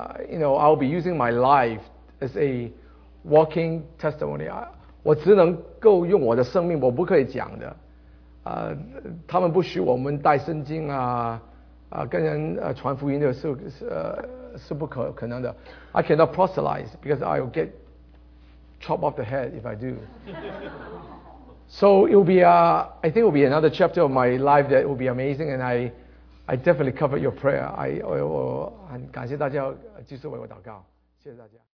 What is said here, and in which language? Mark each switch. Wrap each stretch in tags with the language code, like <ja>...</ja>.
<en>You know, I'll be using my life as a walking testimony.</en> <zh>我只能够用我的生命，我不可以讲的。他们不许我们带圣经跟人传福音的时候是不可能的。</zh> <en>I cannot proselyze because I will get chopped off the head if I do. So it will be, I think it will be another chapter of my life that will be amazing, and I definitely covered your prayer.</en> <zh>我很感谢大家继续为我祷告，谢谢大家。</zh>